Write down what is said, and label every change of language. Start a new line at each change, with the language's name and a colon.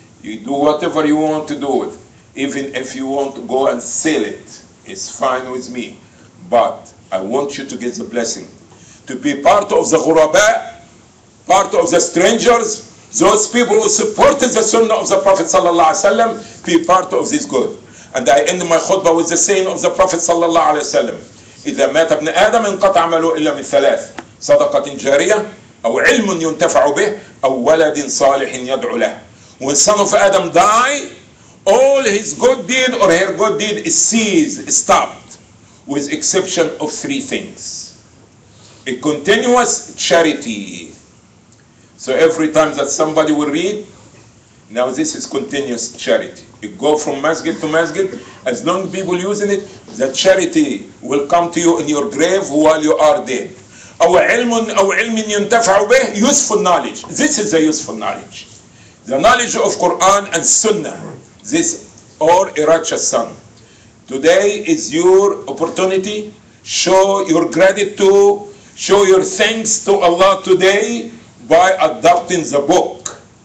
English: You do whatever you want to do it. Even if you want to go and sell it, it's fine with me. But I want you to get the blessing. To be part of the ghuraba, part of the strangers, those people who supported the sunnah of the Prophet sallallahu alaihi wasallam, be part of this good. And I end my khutbah with the saying of the Prophet sallallahu alaihi wasallam,
Arabic: إِذَا مَاتَ ابْنَ آدَمَ انْقَطَعَ عَمَلُهُ إِلَّا مِنْ ثَلَاثٍ صَدَقَةٍ جَارِيَةٍ أَوْ عِلْمٌ يُنْتَفَعُ بِهِ أَوْ وَلَدٍ صَالِحٍ يَدْعُو لَهُ.
English: When son of Adam die, all his good deed or her good deed is ceased, stopped, with exception of three things. A continuous charity. So every time that somebody will read, now this is continuous charity. You go from masjid to masjid, as long as people using it, the charity will come to you in your grave while you are dead.
Arabic: أو علم أو علم ينتفع به,
English: useful knowledge. This is the useful knowledge. The knowledge of Quran and Sunnah. This or a righteous son. Today is your opportunity. Show your gratitude. Show your thanks to Allah today by adopting the book.